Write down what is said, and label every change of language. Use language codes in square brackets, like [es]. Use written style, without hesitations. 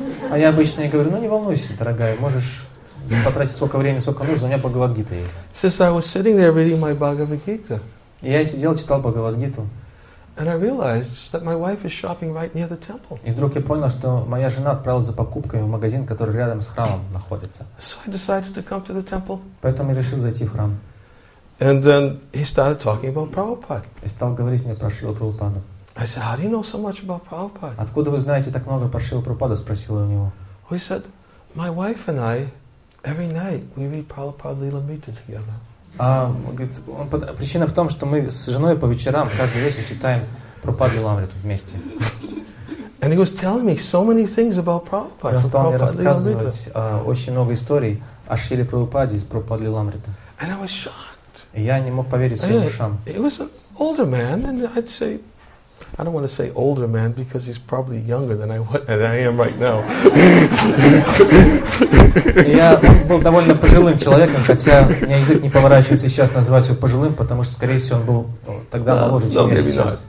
[ru] а я обычно ей говорю, ну, не волнуйся, дорогая, можешь потратить сколько времени, сколько нужно, у меня Бхагавад-гита есть. И я сидел, читал Бхагавад-гиту. [en] And I realized that my wife is shopping right near the temple. [ru] И вдруг я понял, что моя жена отправилась за покупками в магазин, который рядом с храмом находится. [en] So I decided to come to the temple. [ru] Поэтому я решил зайти в храм. [en] And then he started talking about Prabhupada. [ru] И стал говорить мне про Шрилу Прабхупаду. [en] I said, "How do you know so much about Prabhupada?" [ru] Откуда вы знаете так много про Шрилу Прабхупаду? Спросила у него. [en] He said, "My wife and I, every night we read Prabhupada Lilamrita together." [ru] Причина в том, что мы с женой по вечерам каждый вечер читаем Прабхупаду Лиламриту вместе. [en] And he was telling me so many things about Prabhupada. [ru] Он стал мне рассказывать очень много историй о Шриле Прабхупаде из Прабхупады Лиламриты. [en] And I was shocked. [ru] Я не мог поверить своим ушам. [en] He was an older man, and I'd say, I don't want to say older man because he's probably younger than I am right now. [ru] Я был довольно пожилым человеком, хотя у меня язык не поворачивается сейчас называть его пожилым, потому что, скорее всего, он был тогда моложе, чем я сейчас.